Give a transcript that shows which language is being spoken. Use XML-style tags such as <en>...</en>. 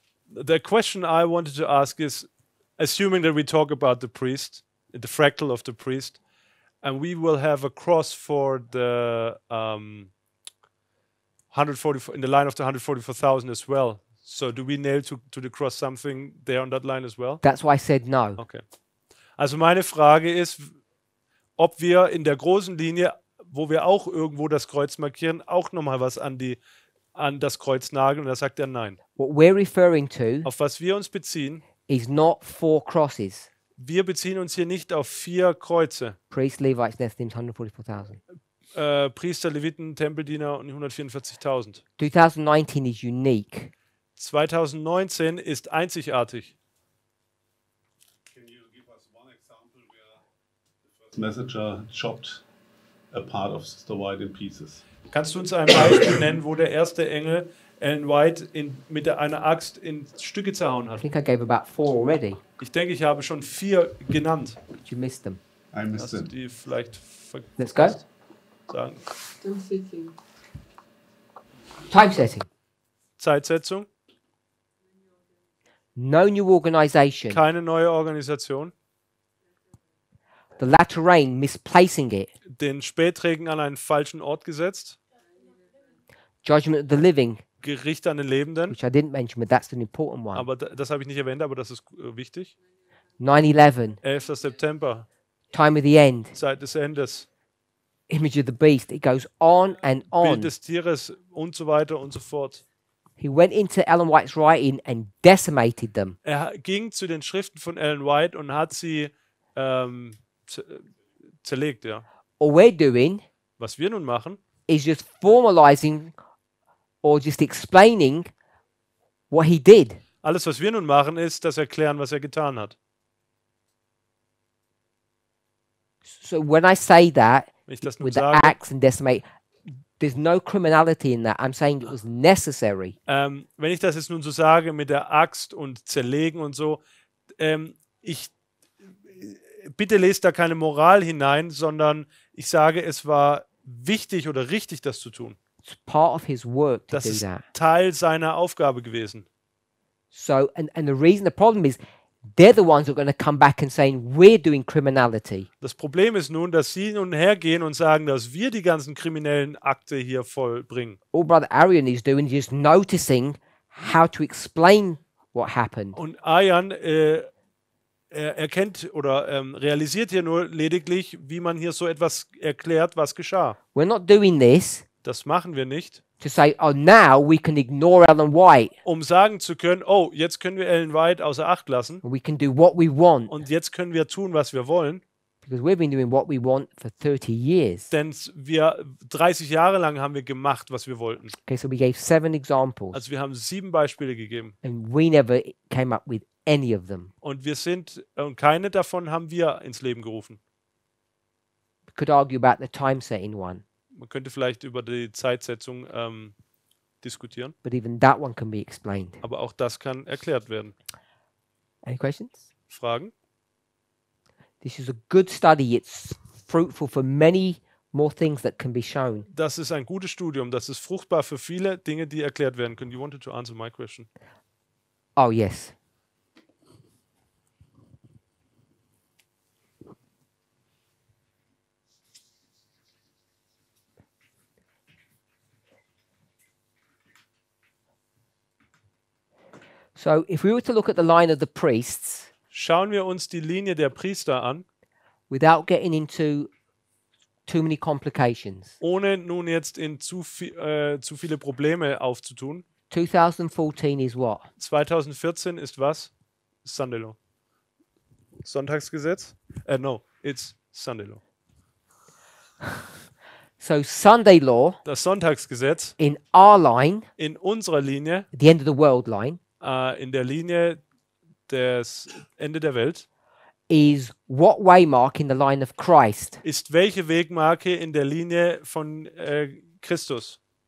<en>The question I wanted to ask is, assuming that we talk about the priest, the fractal of the priest, and we will have a cross for the 144 in the line of the 144,000 as well. So do we nail to the cross something there on that line as well? That's why I said no.</en> <de>Okay. Also meine Frage ist, ob wir in der großen Linie wo wir auch irgendwo das Kreuz markieren, auch nochmal was an die an das Kreuz nageln, und da sagt er nein.</de> <en>What we're referring to,</en> <de>auf was wir uns beziehen,</de> <en>is not four crosses.</en> <de>Wir beziehen uns hier nicht auf vier Kreuze.</de> <en>Priest, Levites, Nephilim, 144,000.</en> <de>Priester, Leviten, Tempeldiener und 144,000.</de> <en>2019 is unique.</en> <de>2019 ist einzigartig.</de> <en>Can you give us one example where the messenger chopped a part of Sister White in pieces?</en> <de>Kannst du uns ein Beispiel nennen, wo der erste Engel Ellen White in, mit einer Axt in Stücke zerhauen hat?</de> <en>I think I gave about four already.</en> <de>Ich denke, ich habe schon vier genannt.</de> <en>But you missed them. I missed</en> <de>Hast</de> <en>them.</en> <de>Du die vielleicht vergessen?</de> <en>Let's go.</en> <de>Danke.</de> <en>Time setting.</en> <de>Zeitsetzung.</de> <en>No new organization.</en> <de>Keine neue Organisation.</de> <en>The latter rain, misplacing it.</en> <de>Den Spätregen an einen falschen Ort gesetzt.</de> <en>Judgment of the living.</en> <de>Gericht an den Lebenden.</de> <en>Which I didn't mention, but that's an important one.</en> <de>Aber das habe ich nicht erwähnt, aber das ist wichtig.</de> <en>9/11.</en> <de>11. September.</de> <en>Time of the end.</en> <de>Zeit des Endes.</de> <en>Image of the beast. It goes on and on.</en> <de>Bild des Tieres und so weiter und so fort.</de> <en>He went into Ellen White's writing and decimated them.</en> <de>Er ging zu den Schriften von Ellen White und hat sie zerlegt, ja.</de> <en>All we're doing,</en> <de>was wir nun machen,</de> <en>is just formalizing or just explaining what he did.</en> <de>Alles, was wir nun machen, ist das Erklären, was er getan hat.</de> <en>So when I say that,</en> <de>ich das nun</de> <en>with</en> <de>sage,</de> <en>the axe and decimate, there's no criminality in that. I'm saying it was necessary.</en> <de>Wenn ich das jetzt nun so sage mit der Axt und zerlegen und so, ich bitte lest da keine Moral hinein, sondern ich sage, es war wichtig oder richtig, das zu tun.</de> <en>It's part of his work to do that.</en> <de>Das ist Teil seiner Aufgabe gewesen.</de> <en>So, and the reason, the problem is, they're the ones who are going to come back and saying we're doing criminality.</en> <de>Das Problem ist nun, dass sie nun hergehen und sagen, dass wir die ganzen kriminellen Akte hier vollbringen.</de> <en>All Brother Arian is doing is noticing how to explain what happened.</en> <de>Und Arian erkennt oder realisiert hier nur lediglich, wie man hier so etwas erklärt, was geschah.</de> <en>We're not doing this.</en> <de>Das machen wir nicht.</de> <en>To say, oh, now we can ignore Ellen White.</en> <de>Um sagen zu können, oh, jetzt können wir Ellen White außer Acht lassen.</de> <en>We can do what we want.</en> <de>Und jetzt können wir tun, was wir wollen.</de> <en>Because we've been doing what we want for 30 years.</en> <de>Denn wir 30 Jahre lang haben wir gemacht, was wir wollten.</de> <en>Okay, so we gave 7 examples.</en> <de>Also wir haben 7 Beispiele gegeben.</de> <en>And we never came up with any of them.</en> <de>Und wir sind und keine davon haben wir ins Leben gerufen.</de> <en>We could argue about the time setting one.</en> <de>Man könnte vielleicht über die Zeitsetzung diskutieren.</de> <en>But even that one can be explained.</en> <de>Aber auch das kann erklärt werden.</de> <en>Any questions?</en> <de>Fragen?</de> <en>This is a good study. It's fruitful for many more things that can be shown.</en> <de>Das ist ein gutes Studium. Das ist fruchtbar für viele Dinge, die erklärt werden können.</de> <en>You wanted to answer my question? Oh, yes. So if we were to look at the line of the priests,</en> <de>schauen wir uns die Linie der Priester an,</de> <en>without getting into too many complications,</en> <de>ohne nun jetzt in zu viele Probleme aufzutun.</de> <en>2014 is what?</en> <de>2014 ist was?</de> <en>Sunday law.</en> <de>Sonntagsgesetz?</de> <en>No, it's Sunday law. So Sunday law,</en> <de>das Sonntagsgesetz,</de> <en>in our line,</en> <de>in unserer Linie,</de> <en>the end of the world line,</en> <de>in der Linie des Ende der Welt,</de> <en>is what waymark in the line of Christ,</en> <de>ist welche Wegmarke in der Linie von Christus?</de>